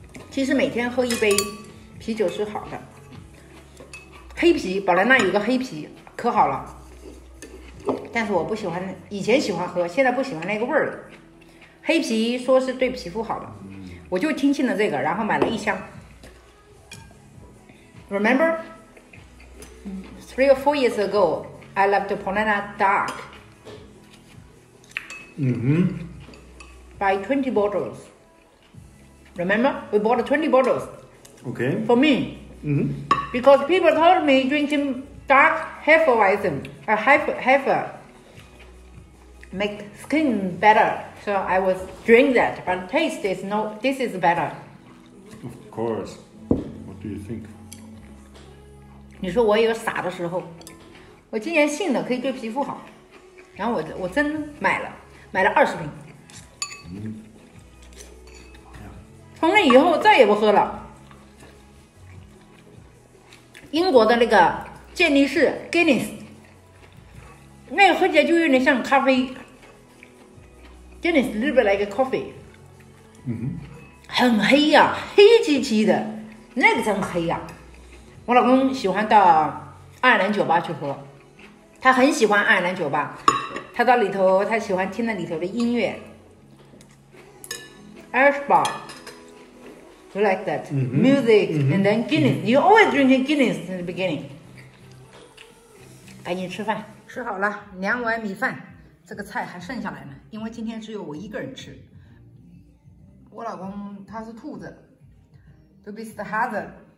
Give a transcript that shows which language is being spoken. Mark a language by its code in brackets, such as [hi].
[zh] 其实每天喝一杯啤酒是好的，黑啤，宝莱纳有个黑啤可好了，但是我不喜欢，以前喜欢喝，现在不喜欢那个味儿了。黑啤说是对皮肤好的，我就听信了这个，然后买了一箱。 [en] Remember, three or four years ago, I loved Polana Dark. By 20 bottles. Remember, we bought 20 bottles. Okay. For me. Because people told me drinking dark Hefeweizen, a Hefe, make skin better. So I was drink that, but taste is no, this is better. Of course. What do you think? [zh] 你说我有傻的时候，我今年信了可以对皮肤好，然后我真买了，买了二十瓶。从那以后再也不喝了。英国的那个健力士 Guinness， 那个喝起来就有点像咖啡。真的是 [en] a little bit like a coffee， [zh] 很黑呀、黑漆漆的，那个真黑呀、我老公喜欢到爱尔兰酒吧去喝，他很喜欢爱尔兰酒吧，他到里头，他喜欢听那里头的音乐。 [en] Irish bar， you like that、music、and then Guinness，、you always drinking Guinness in the beginning。 [zh] 赶紧吃饭，吃好了，两碗米饭。这个菜还剩下来呢，因为今天只有我一个人吃。我老公他是兔子 ， [en] to be the hazard。